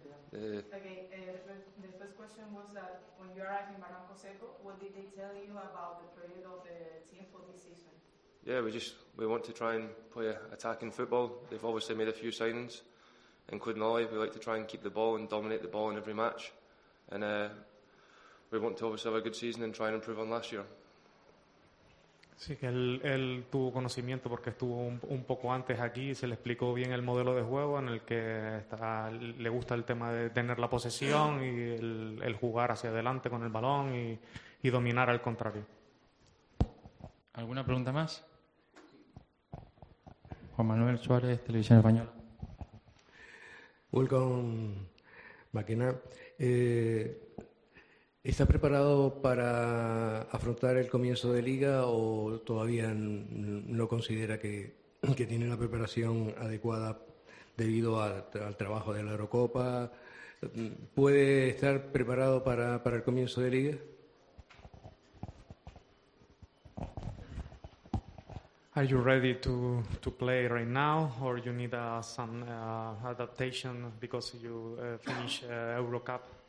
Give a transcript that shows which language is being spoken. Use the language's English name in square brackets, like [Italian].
[English] The first question was that when you arrived in Barranco Seco, what did they tell you about the period of the team for this season? Yeah, we want to try and play attacking football. They've obviously made a few signings, including Ollie. We like to try and keep the ball and dominate the ball in every match. And we want to obviously have a good season and try and improve on last year. [Spanish] Sí, que él tuvo conocimiento porque estuvo un poco antes aquí y se le explicó bien el modelo de juego en el que le gusta el tema de tener la posesión y el jugar hacia adelante con el balón y dominar al contrario. ¿Alguna pregunta más? Juan Manuel Suárez, Televisión Española. [English] Welcome, Maquena. [Spanish] ¿Estás preparado para afrontar el comienzo de liga o todavía no considera que tiene la preparación adecuada debido al trabajo de la Eurocopa? ¿Puede estar preparado para el comienzo de liga? [English] Are you ready to play right now, or you need some adaptation because you finish Eurocup?